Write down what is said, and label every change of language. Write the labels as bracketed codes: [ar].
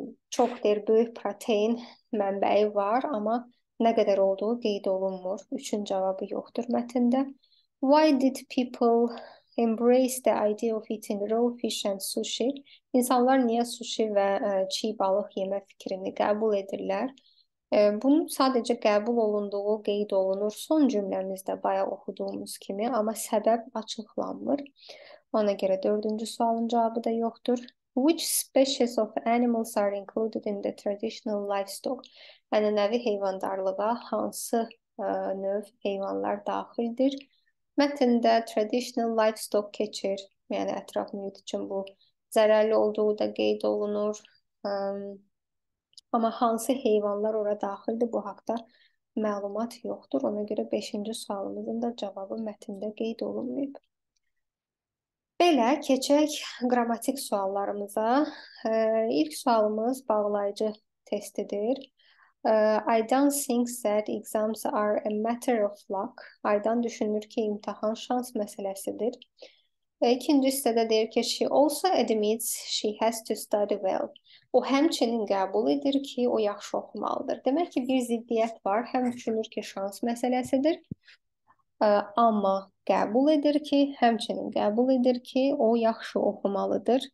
[az] Çox deyir, böyük protein mənbəyi var, amma nə qədər olduğu qeyd olunmur. 3-ün cavabı yoxdur mətndə. [en] Why did people embrace the idea of eating raw fish and sushi? [az] İnsanlar niyə sushi və çiğ balıq yemə fikrini qəbul edirlər? Bunun sadəcə qəbul olunduğu qeyd olunur son cümləmizdə bayaq oxuduğumuz kimi, amma səbəb açıqlanmır. Ona görə 4-cü sualın cavabı da yoxdur. Which species of animals are included in the traditional livestock? Ənənəvi heyvandarlığa hansı növ heyvanlar daxildir? Mətndə traditional livestock keçir. Yəni, ətraf mühit üçün bu zərərli olduğu da qeyd olunur. Ama hansı heyvanlar ora daxildir bu haqda məlumat yoxdur. Ona görə 5-ci sualımızın da cavabı mətndə qeyd olunmayıb. Belə keçək qrammatik suallarımıza. İlk sualımız bağlayıcı testidir. [en] Aydan thinks that exams are a matter of luck. [az] Aydan düşünür ki, imtihan şans məsələsidir. İkincisi de deyir ki, [en] she also admits she has to study well. [az] O həmçinin qəbul edir ki, o yaxşı oxumalıdır. Demək ki, bir ziddiyyət var. Həm düşünür ki, şans məsələsidir. Amma qəbul edir ki, həmçinin qəbul edir ki, o yaxşı oxumalıdır.